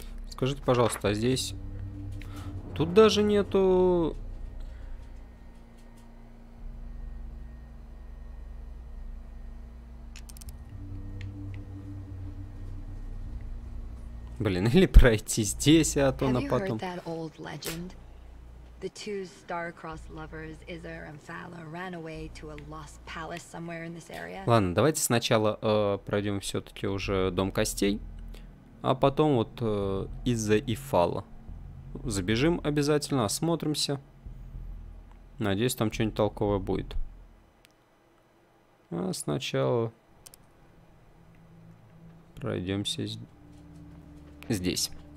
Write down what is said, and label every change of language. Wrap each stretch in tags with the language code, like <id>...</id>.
<ru>Скажите, пожалуйста, а здесь... Тут даже нету... Блин, или пройти здесь, а то на потом.</ru> <en>Have you heard that old legend? The two star-crossed lovers, Izzar and Phala, ran away to a lost palace somewhere in this area.</en> <ru>Ладно, давайте сначала пройдем все-таки уже Дом Костей, а потом вот Изза и Фала. Забежим обязательно, осмотримся. Надеюсь, там что-нибудь толковое будет. А сначала пройдемся здесь.</ru>